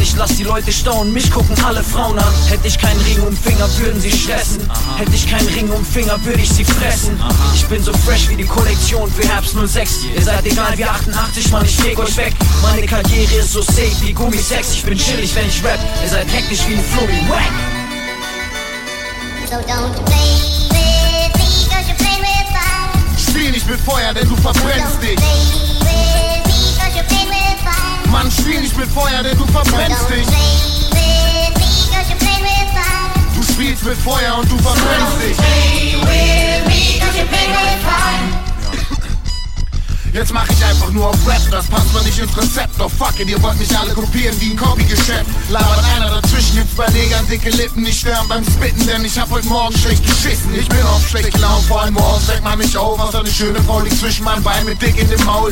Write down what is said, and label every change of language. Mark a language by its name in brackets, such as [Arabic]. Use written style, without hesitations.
[German] Ich lass die Leute staunen, mich gucken alle Frauen an. Hätte ich keinen Ring um Finger, würden sie stressen. Hätte ich keinen Ring um Finger, würde ich sie fressen. Ich bin so fresh wie die Kollektion für Herbst 06. Ihr seid egal wie 88, Mann, ich feg euch weg. Meine Karriere ist so safe wie Gummisex. Ich bin chillig, wenn ich rap. Ihr seid hektisch wie ein Flo, wie wack. [English] So don't play with me, cause you play with fire. [German] Spiel nicht mit Feuer, denn du verbrennst dich. [English] So don't play with me, cause you play with fire. [German] Mann, spiel nicht mit Feuer, denn du verbrennst dich. [English] So don't play with me, cause you play with fire. [German] Du spielst mit Feuer und du verbrennst dich. [English] Play with me, cause you play with fire. [German] Jetzt mach ich einfach nur auf Rap, das passt mir nicht ins Rezept. [English] Oh fuck it, [German] ihr wollt mich alle kopieren wie ein Copy-Geschäft. Labert einer dazwischen, gibt's bei Negern dicke Lippen. Ich stören beim Spitten, denn ich hab heute Morgen schlecht geschissen. Ich bin oft schlecht gelaunt, vor allem morgens weckt man mich auf. Außer eine schöne Frau liegt zwischen meinen Beinen mit dick in dem Maul.